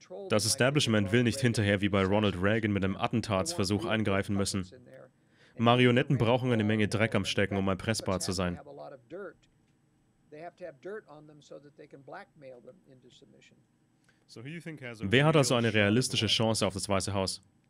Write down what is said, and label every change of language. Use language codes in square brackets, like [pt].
[de] Das Establishment will nicht hinterher wie bei Ronald Reagan mit einem Attentatsversuch eingreifen müssen. Marionetten brauchen eine Menge Dreck am Stecken, um erpressbar zu sein. [en] They have to have dirt on them so that they can blackmail them into submission. [de] Wer hat also eine realistische Chance auf das Weiße Haus?